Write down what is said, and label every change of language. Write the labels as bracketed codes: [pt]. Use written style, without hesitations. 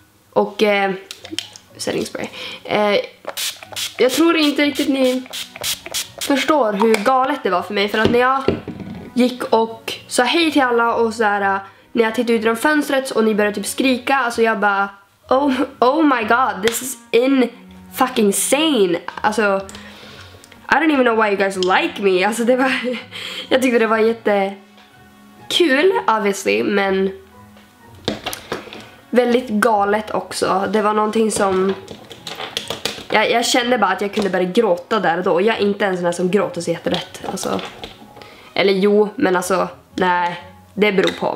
[sv] Och, setting spray. Jag tror inte riktigt ni förstår hur galet det var för mig. För att när jag gick och sa hej till alla och så här, när jag tittade ut genom fönstret och ni började typ skrika, alltså jag bara [en] oh my god, this is in fucking sane. [sv] Alltså [en] I don't even know why you guys like me. [sv] Alltså det var jag tyckte det var jätte kul obviously, men väldigt galet också. Det var någonting som jag kände bara att jag kunde börja gråta där då. Jag är inte ens sån som gråter så jätterätt. Alltså eller jo, men alltså, nej, det beror på.